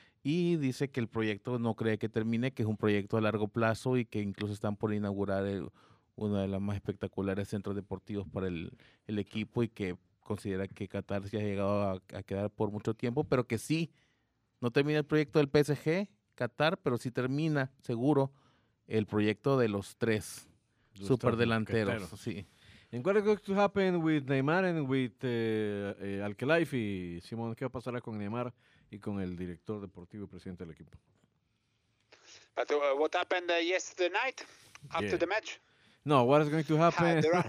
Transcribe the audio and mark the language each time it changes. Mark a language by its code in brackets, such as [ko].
[es] Y dice que el proyecto no cree que termine, que es un proyecto a largo plazo y que incluso están por inaugurar uno de los más espectaculares centros deportivos para el equipo y que considera que Qatar se ha llegado a quedar por mucho tiempo, pero que sí, no termina el proyecto del PSG, Qatar, pero sí termina, seguro, el proyecto de los tres superdelanteros. Sí. [en] And what is going to happen with Neymar and with Al-Khelaifi? [es] Simón, ¿qué va a pasar con Neymar y con el director deportivo y presidente del equipo? [en] But what happened yesterday night after the match? No, what is going to happen?